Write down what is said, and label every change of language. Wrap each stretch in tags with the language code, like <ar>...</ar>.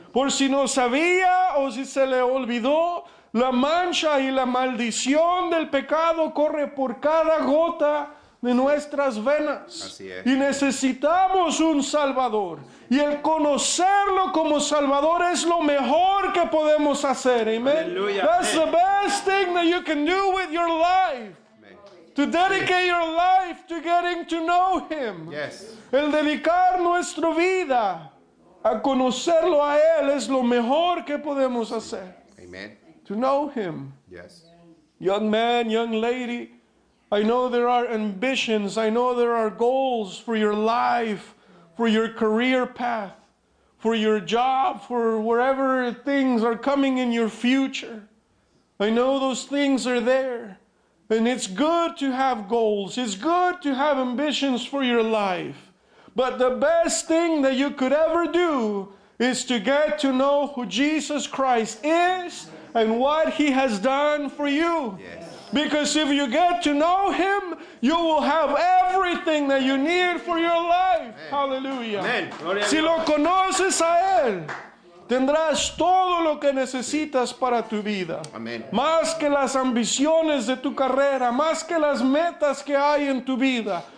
<es>Por si no sabía o si se le olvidó, la mancha y la maldición del pecado corre por cada gota de nuestras venas. Así es. Y necesitamos un Salvador. Y el conocerlo como Salvador es lo mejor que podemos hacer. Amen. Aleluya.</es> <en>That's Amen. The best thing that you can do with your life. To dedicate your life to getting to know Him. Yes.</en> <es>El dedicar nuestra vida a conocerlo a Él es lo mejor que podemos hacer. Amen.</es> <en>To know Him. Yes. Young man, young lady, I know there are ambitions. I know there are goals for your life, for your career path, for your job, for wherever things are coming in your future. I know those things are there. And it's good to have goals. It's good to have ambitions for your life. But the best thing that you could ever do is to get to know who Jesus Christ is and what He has done for you. Yes. Because if you get to know Him, you will have everything that you need for your life. Amen. Hallelujah. Amen.</en> <es>Si lo conoces a Él, tendrás todo lo que necesitas para tu vida. Amen. Más que las ambiciones de tu carrera, más que las metas que hay en tu vida.</es>